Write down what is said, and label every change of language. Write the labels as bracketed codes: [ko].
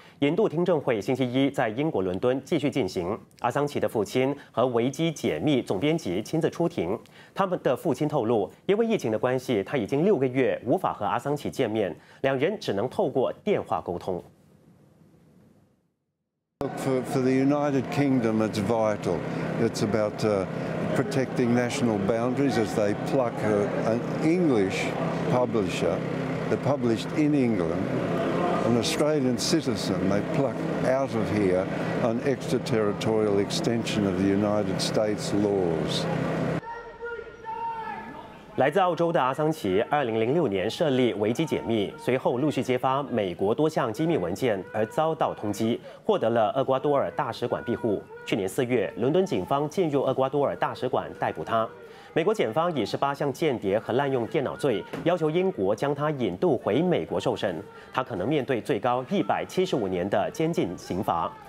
[zh] 引渡听证会星期一在英国伦敦继续进行，阿桑奇的父亲和维基解密总编辑亲自出庭。他们的父亲透露，因为疫情的关系，他已经六个月无法和阿桑奇见面，两人只能透过电话沟通。 [en] For the United Kingdom, it's vital. It's about protecting national boundaries as they pluck an English publisher that published in England, an Australian citizen, they pluck out of here an extraterritorial extension of the United States laws. [zh] 来自澳洲的阿桑奇2006年设立维基解密，随后陆续揭发美国多项机密文件而遭到通缉，获得了厄瓜多尔大使馆庇护。去年四月，伦敦警方进入厄瓜多尔大使馆逮捕他。美国检方以18项间谍和滥用电脑罪要求英国将他引渡回美国受审，他可能面对最高175年的监禁刑罚。